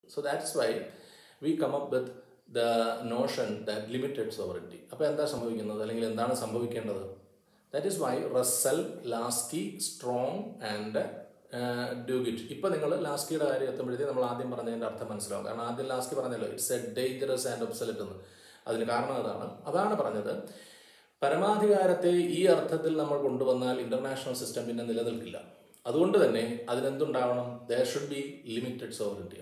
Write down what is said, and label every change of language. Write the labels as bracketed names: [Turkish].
[English] So that's why we come up with the notion that limited sovereignty. [Malayalam] അപ്പൊ എന്താ സംഭവിക്കുന്നത് അല്ലെങ്കിൽ എന്താണ് സംഭവിക്കേണ്ടത്? [English] That is why Russell, Lasky, Strong and Duguid. [Malayalam] ഇപ്പൊ നിങ്ങൾ ലാസ്കിയുടെ കാര്യം എത്തുമ്പോഴത്തേക്ക് നമ്മൾ ആദ്യം പറഞ്ഞതിന്റെ അർത്ഥം മനസ്സിലാവും. കാരണം ആദ്യം ലാസ്കി പറഞ്ഞല്ലോ [English] it's a dangerous and obsolete [Malayalam] എന്ന്. അതിന് കാരണം അതാണ്, അതാണ് പറഞ്ഞത്, പരമാധികാരത്തെ ഈ അർത്ഥത്തിൽ നമ്മൾ കൊണ്ടുവന്നാൽ ഇന്റർനാഷണൽ സിസ്റ്റം പിന്നെ നിലനിൽക്കില്ല, അതുകൊണ്ട് തന്നെ അതിനെന്തുണ്ടാവണം, [English] There should be limited sovereignty.